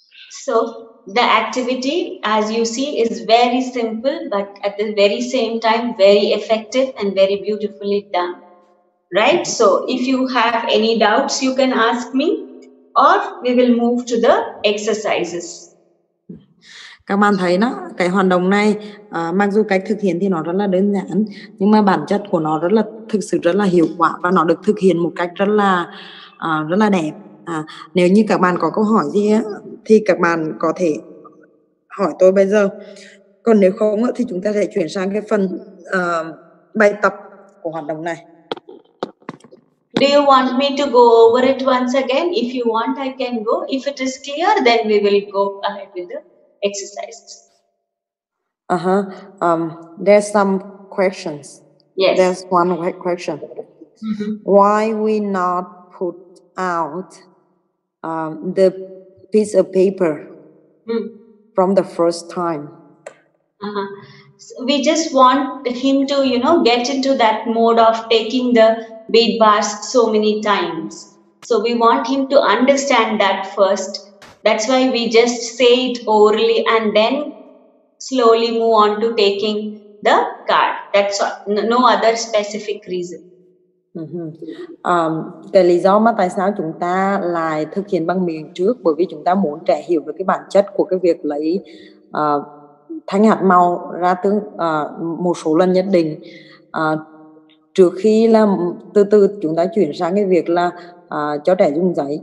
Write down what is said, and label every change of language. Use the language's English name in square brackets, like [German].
[English] So the activity, as you see, is very simple, but at the very same time, very effective and very beautifully done, right? So if you have any doubts, you can ask me, or we will move to the exercises. [Vietnamese] Các bạn thấy nó, cái hoạt động này, mặc dù cách thực hiện thì nó rất là đơn giản, nhưng mà bản chất của nó rất là thực sự rất là hiệu quả, và nó được thực hiện một cách rất là đẹp. Nếu như các bạn có câu hỏi gì thì các bạn có thể hỏi tôi bây giờ. Còn nếu không thì chúng ta sẽ chuyển sang cái phần bài tập của hoạt động này. [English] Do you want me to go over it once again? If you want, I can go. If it is clear, then we will go ahead with the exercises. There's some questions. Yes. There's one question. Mm-hmm. Why we not put out the piece of paper from the first time? So we just want him to, you know, get into that mode of taking the bead bars so many times. So we want him to understand that first. That's why we just say it orally and then slowly move on to taking the card. That's all. No other specific reason. [Vietnamese] Cái lý do mà tại sao chúng ta lại thực hiện bằng miệng trước, bởi vì chúng ta muốn trẻ hiểu được cái bản chất của cái việc lấy thanh hạt màu ra tương một số lần nhất định trước khi là từ từ chúng ta chuyển sang cái việc là cho trẻ dùng giấy.